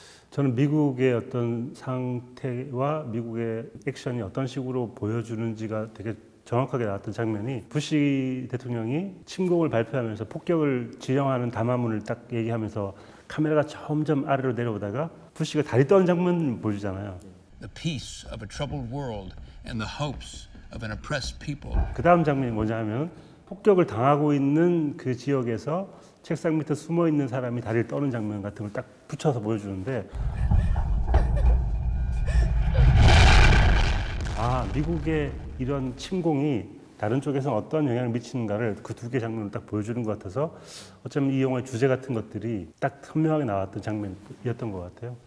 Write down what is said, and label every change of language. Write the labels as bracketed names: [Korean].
[Korean] 저는 미국의 어떤 상태와 미국의 액션이 어떤 식으로 보여주는지가 되게 정확하게 나왔던 장면이 부시 대통령이 침공을 발표하면서 폭격을 지령하는 담화문을 딱 얘기하면서 카메라가 점점 아래로 내려오다가 부시가 다리 떠는 장면 보여주잖아요. [English] The peace of a troubled world and the hopes of an oppressed people. [Korean] 그 다음 장면이 뭐냐면 폭격을 당하고 있는 그 지역에서 책상 밑에 숨어 있는 사람이 다리를 떠는 장면 같은 걸 딱 붙여서 보여주는데 아 미국의 이런 침공이 다른 쪽에서 어떤 영향을 미치는가를 그 두 개 장면을 딱 보여주는 것 같아서 어쩌면 이 영화의 주제 같은 것들이 딱 선명하게 나왔던 장면이었던 것 같아요.